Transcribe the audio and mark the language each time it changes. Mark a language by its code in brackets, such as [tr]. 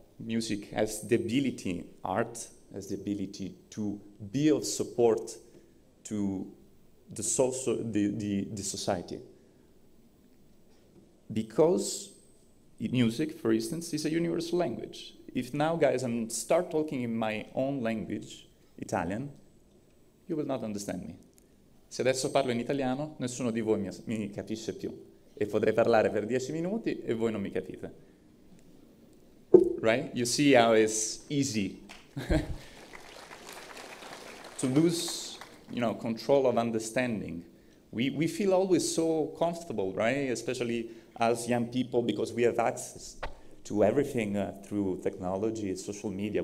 [en] music has the ability, art has the ability to be of support to the social, the society. Because music, for instance, is a universal language. If now, guys, I start talking in my own language, Italian, you will not understand me. [it] Se adesso parlo in italiano, nessuno di voi mi capisce più. E potrei parlare per 10 minuti e voi non mi capite. [en] Right? You see how it's easy to lose, you know, control of understanding. We feel always so comfortable, right? Especially as young people, because we have access to everything through technology, social media.